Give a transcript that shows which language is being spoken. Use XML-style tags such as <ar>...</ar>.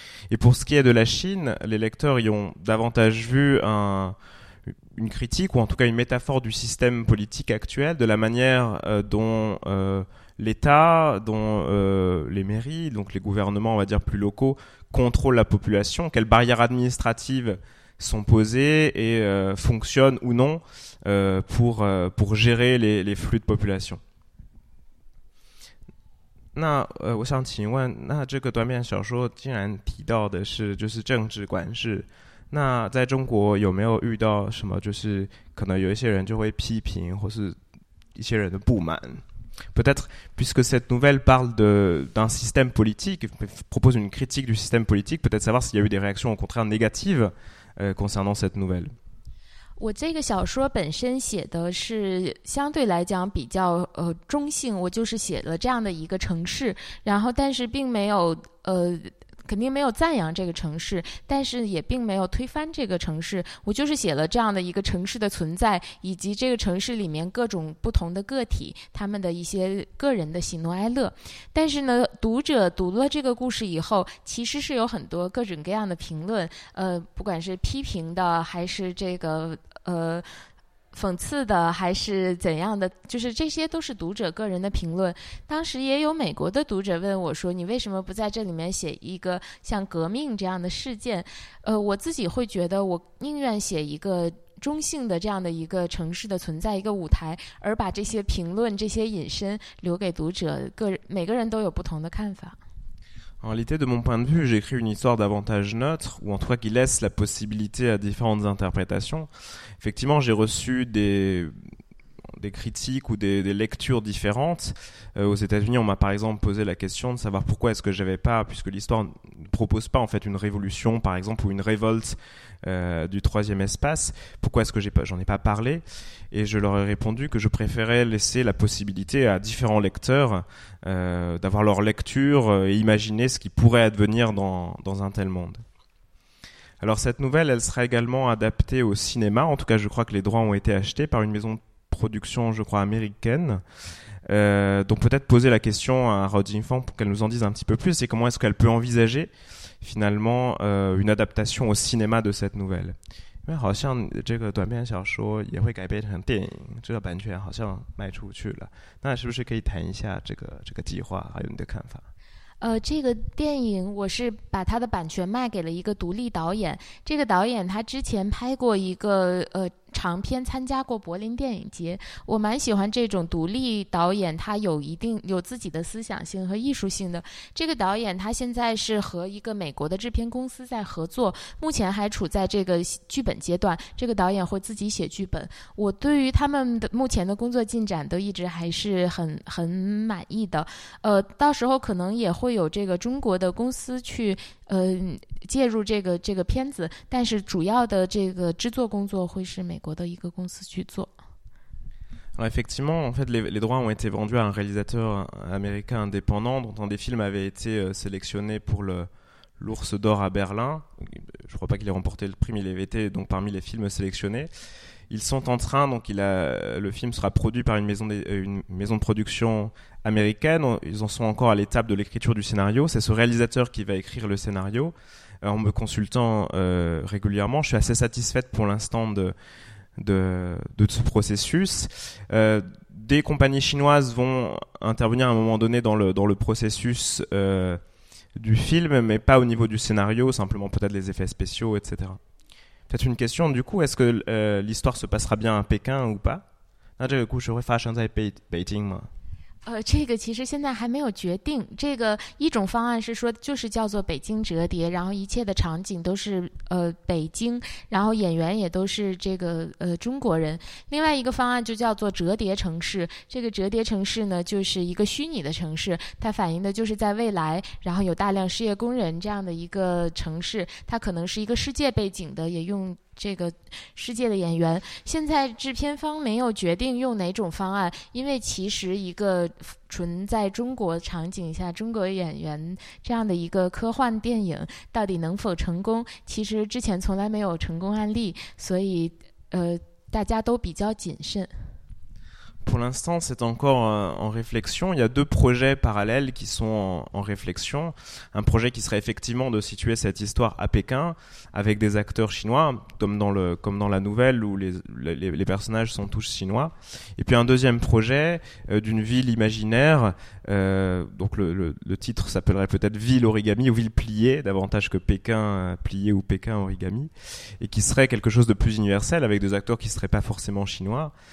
<fr>Et pour ce qui est de la Chine, les lecteurs y ont davantage vu une critique, ou en tout cas une métaphore du système politique actuel, de la manière dont l'État, dont les mairies, donc les gouvernements, on va dire plus locaux, contrôlent la population, quelles barrières administratives sont posées et fonctionnent ou non pour gérer les flux de population.</fr> <zh>那我想请问，那这个短篇小说竟然提到的是就是政治管制，那在中国有没有遇到什么就是可能有一些人就会批评或是一些人的不满？</zh> <fr>Peut-être puisque cette nouvelle parle d'un système politique, propose une critique du système politique, peut-être savoir s'il y a eu des réactions au contraire négatives concernant cette nouvelle。</fr> <zh>我这个小说本身写的是相对来讲比较中性，我就是写了这样的一个城市，然后但是并没有肯定没有赞扬这个城市，但是也并没有推翻这个城市，我就是写了这样的一个城市的存在，以及这个城市里面各种不同的个体，他们的一些个人的喜怒哀乐。但是呢，读者读了这个故事以后，其实是有很多各种各样的评论，不管是批评的，还是这个讽刺的，还是怎样的，就是这些都是读者个人的评论。当时也有美国的读者问我说，你为什么不在这里面写一个像革命这样的事件？我自己会觉得我宁愿写一个中性的这样的一个城市的存在，一个舞台，而把这些评论这些引申留给读者，每个人都有不同的看法。</zh> <fr>En réalité, de mon point de vue, j'écris une histoire davantage neutre, ou en tout cas qui laisse la possibilité à différentes interprétations. Effectivement, j'ai reçu des critiques ou des lectures différentes. Aux États-Unis, on m'a par exemple posé la question de savoir pourquoi est-ce que j'avais pas, puisque l'histoire ne propose pas en fait une révolution, par exemple, ou une révolte du troisième espace, pourquoi est-ce que j'en ai pas parlé ? Et je leur ai répondu que je préférais laisser la possibilité à différents lecteurs d'avoir leur lecture et imaginer ce qui pourrait advenir dans un tel monde. Alors cette nouvelle, elle sera également adaptée au cinéma. En tout cas, je crois que les droits ont été achetés par une maison production, je crois, américaine. Donc peut-être poser la question à Rod Jinfan pour qu'elle nous en dise un petit peu plus, c'est comment est-ce qu'elle peut envisager finalement une adaptation au cinéma de cette nouvelle.</fr> <zh>因为好像这个短篇小说也会改编成电影，这个版权好像卖出去了，那是不是可以谈一下这个计划，还有你的看法？这个电影我是把它的版权卖给了一个独立导演，这个导演他之前拍过一个长篇，参加过柏林电影节，我蛮喜欢这种独立导演，他有一定有自己的思想性和艺术性的。这个导演他现在是和一个美国的制片公司在合作，目前还处在这个剧本阶段，这个导演会自己写剧本，我对于他们的目前的工作进展都一直还是很满意的。到时候可能也会有这个中国的公司去介入这个片子，但是主要的这个制作工作会是美国的一个公司去做。</zh> <fr>Alors effectivement, en fait, les droits ont été vendus à un réalisateur américain indépendant dont un des films avait été sélectionné pour l'Ours d'Or à Berlin. Je ne crois pas qu'il ait remporté le prix, mais il avait été donc parmi les films sélectionnés. Ils sont en train, donc le film sera produit par une maison de production américaine. Ils en sont encore à l'étape de l'écriture du scénario. C'est ce réalisateur qui va écrire le scénario. En me consultant régulièrement, je suis assez satisfaite pour l'instant de ce processus. Des compagnies chinoises vont intervenir à un moment donné dans le processus du film, mais pas au niveau du scénario, simplement peut-être les effets spéciaux, etc. Peut-être une question, du coup, est-ce que l'histoire se passera bien à Pékin ou pas ? Là, du coup, je vais faire un peu de Beijing, moi.</fr> <zh>这个其实现在还没有决定。这个一种方案是说，就是叫做北京折叠，然后一切的场景都是北京，然后演员也都是这个中国人。另外一个方案就叫做折叠城市，这个折叠城市呢，就是一个虚拟的城市，它反映的就是在未来，然后有大量失业工人这样的一个城市，它可能是一个世界背景的，也用这个世界的演员。现在制片方没有决定用哪种方案，因为其实一个纯在中国场景下中国演员这样的一个科幻电影到底能否成功，其实之前从来没有成功案例，所以大家都比较谨慎。</zh> <fr>Pour l'instant, c'est encore en réflexion. Il y a deux projets parallèles qui sont en réflexion. Un projet qui serait effectivement de situer cette histoire à Pékin avec des acteurs chinois, comme dans la nouvelle où les personnages sont tous chinois. Et puis un deuxième projet d'une ville imaginaire. Donc le titre s'appellerait peut-être Ville Origami ou Ville Pliée, davantage que Pékin Plié ou Pékin Origami, et qui serait quelque chose de plus universel avec des acteurs qui ne seraient pas forcément chinois.</fr>